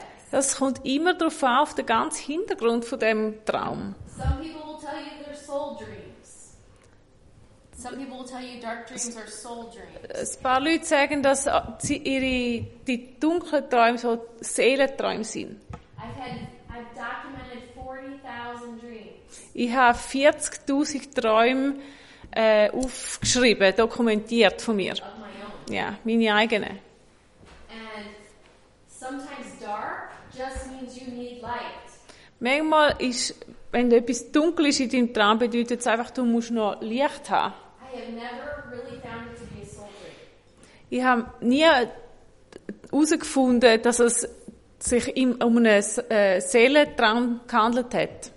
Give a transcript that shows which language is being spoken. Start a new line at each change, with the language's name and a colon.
German: Das kommt immer darauf an, auf den ganzen Hintergrund von dem Traum.
English: Some people will tell you their soul dreams. Some people will tell you dark dreams are soul dreams.
German: Ein paar Leute sagen, dass die dunklen Träume so Seelenträume sind.
English: I've documented 40,000 dreams.
German: Ich habe 40,000 Träume aufgeschrieben, dokumentiert von mir. Ja, meine eigenen.
English: And sometimes dark just means you need light.
German: Manchmal ist, wenn etwas dunkel ist in deinem Traum, bedeutet es einfach, du musst noch Licht haben.
English: I have never really found it to be a soul dream.
German: Ich habe nie herausgefunden, dass es sich um einen Seelentraum gehandelt hat.